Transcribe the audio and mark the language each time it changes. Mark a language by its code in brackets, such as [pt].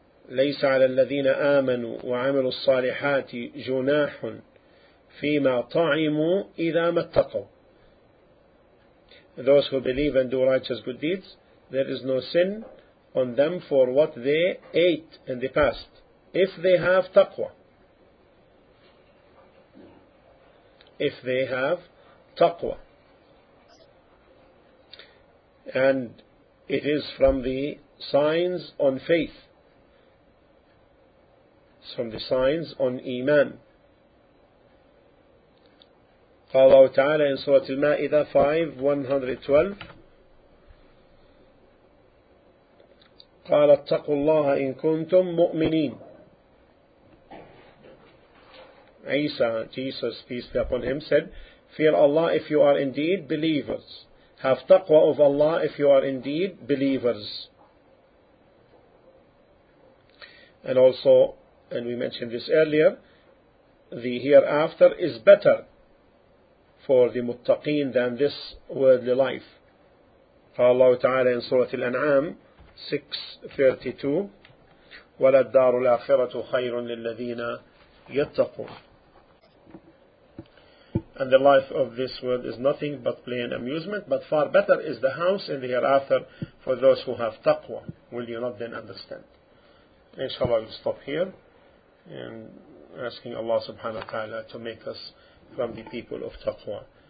[ar] ليس على الذين آمنوا وعملوا الصالحات جناح فيما طعموا إذا ما اتقوا. [en] Those who believe and do righteous good deeds, there is no sin on them for what they ate in the past, if they have taqwa. If they have taqwa. And it is from the signs on faith. It's from the signs on iman. [ar] قال الله تعالى in سورة المائدة 5:112 قال اتقوا الله إن كنتم مؤمنين. [en] عيسى, Jesus, peace be upon him, said, fear Allah if you are indeed believers. Have taqwa of Allah if you are indeed believers. And also, and we mentioned this earlier, the hereafter is better for the muttaqeen than this worldly life. [ar] قال الله تعالى in سورة الأنعام 6:32 وللدار الآخرة خير للذين يتقون. [en] And the life of this world is nothing but play and amusement, but far better is the house in the hereafter for those who have taqwa. Will you not then understand? Inshallah, we'll stop here. and asking Allah subhanahu wa ta'ala to make us from the people of taqwa.